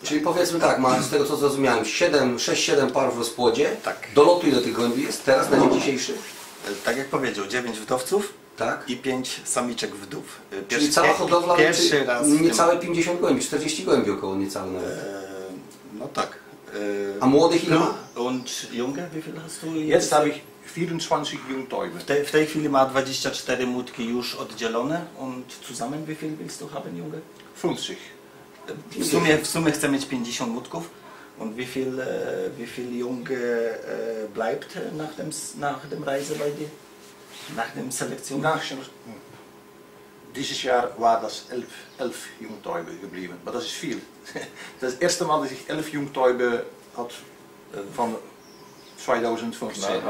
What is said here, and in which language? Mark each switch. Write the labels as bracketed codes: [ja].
[pl] Czyli powiedzmy tak, mam z tego co zrozumiałem, 6-7 par w rozpłodzie. Tak. Do lotu ile tych gołębi jest teraz na dzień dzisiejszy? Tak jak powiedział, 9 wdowców, tak. I 5 samiczek wdów. Czyli cała hodowla pierwszy raz niecałe 50 gołębi, 40 gołębi około niecałe nawet. No tak. A młodych ile? [de] Und junge, wie viel hast du? Jetzt habe ich 24 Jungtäuben. [pl] W tej chwili ma 24 młódki już oddzielone. [de] Und zusammen wie viel willst du haben, Junge? 50. [pl] W sumie chcę mieć 50 młódków. [de] Und wie viel Junge bleibt nach dem Reise bei dir? Nach dem Selektion? Dieses Jahr war das 11 Jungtäube geblieben. Aber das ist viel. Das ist das erste Mal, dass ich 11 Jungtäube hat von 2015.